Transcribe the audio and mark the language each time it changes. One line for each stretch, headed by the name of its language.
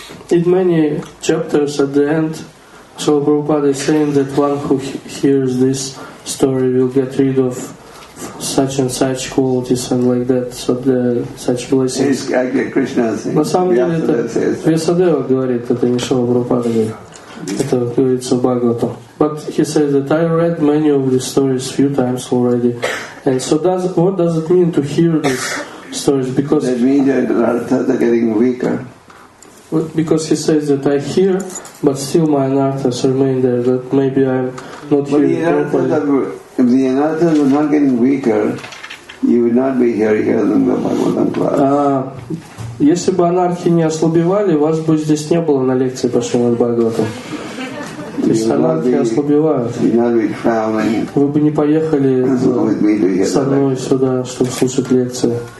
English: in many chapters at the end, so Prabhupada is saying that one who hears this story will get rid of such and such qualities and like that, so the such blessings.
Russian: На самом деле это Вьясадева говорит, это не Шрила Прабхупада говорит. Это говорится в Бхагаватам.
English: But he says that I read many of these stories few times already. And so does what does it mean to hear these stories? Because that means that Anarthas are getting weaker. Because he says that I hear, but still my Anarthas remain there, that maybe I'm not hearing properly. If the Anarthas were not getting weaker, you would not be hearing the Bhagavatam class.
Russian: Если бы анархи не ослабевали, вас бы здесь не было на лекции по Шримад Бхагаватам. То есть анархи ослабевают. Вы бы не поехали со мной сюда, чтобы слушать лекции.